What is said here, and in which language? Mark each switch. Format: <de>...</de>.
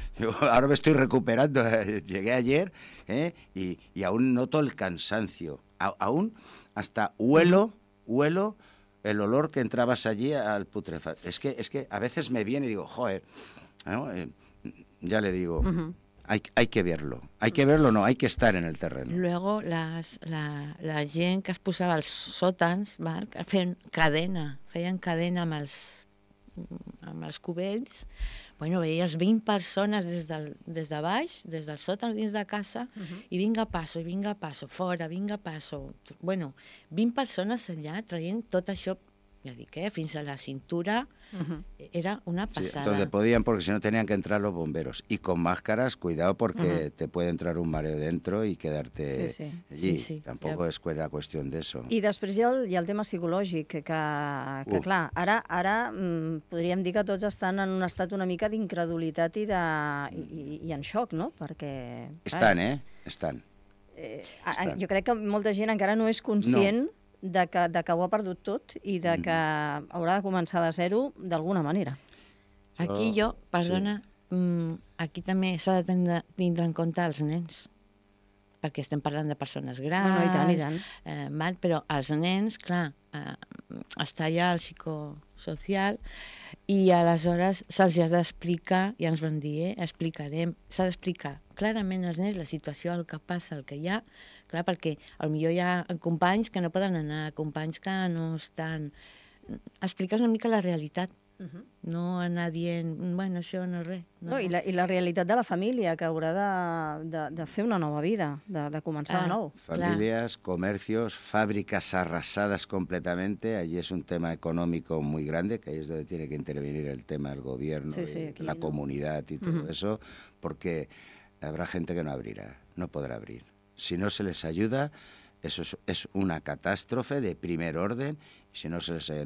<es>Yo ahora me estoy recuperando, llegué ayer, y aún noto el cansancio, aún hasta huelo el olor que entrabas allí al putrefacto. Es que a veces me viene y digo, joder, ¿no? Ya le digo... Hay que verlo. Hay que verlo, no, hay que estar en el terreno.</es> <ca>Luego, la gent que es posava als sòtans, Marc, feien cadena amb els cubells. Bueno, veies 20 persones des de baix, des del sòtan, dins de casa, i vinga a passo, fora, vinga a passo. Bueno, 20 persones allà traient tot això, ja dic, fins a la cintura...</ca> <es>Era una pasada. Sí, donde podían, porque si no tenían que entrar los bomberos. Y con máscaras, cuidado, porque te puede entrar un mareo dentro y quedarte allí. Sí, sí. Tampoco es que era cuestión de eso.</es> <ca>I després hi ha el tema psicològic, que clar, ara podríem dir que tots estan en un estat una mica d'incredulitat i en xoc, no? Perquè, estan, clar, estan. Jo crec que molta gent encara no és conscient... No. De que ho ha perdut tot i de que haurà de començar de zero d'alguna manera. Aquí jo, perdona, aquí també s'ha de tindre en compte els nens, perquè estem parlant de persones grans, i tant. Però els nens, clar, està allà el psicosocial i aleshores se'ls ha d'explicar, ja ens van dir, explicarem, s'ha d'explicar clarament als nens la situació, el que passa, el que hi ha. Clar, perquè potser hi ha companys que no poden anar, companys que no estan... Explica'ns una mica la realitat, no anar dient, bueno, això no és res. No. I la realitat de la família, que haurà de fer una nova vida, de començar de nou.</ca> <es>Famílies, comercios,</es> <ca>fàbriques arrasades</ca> <es>completamente, allí</es> <ca>és un tema econòmic</ca> <es>muy grande, que ahí es donde tiene que intervenir el tema del gobierno, la comunidad y todo eso, porque habrá gente que no abrirá, no podrá abrir. Si no se les ayuda, eso es una catástrofe de primer orden. Si no se les ayuda.</es>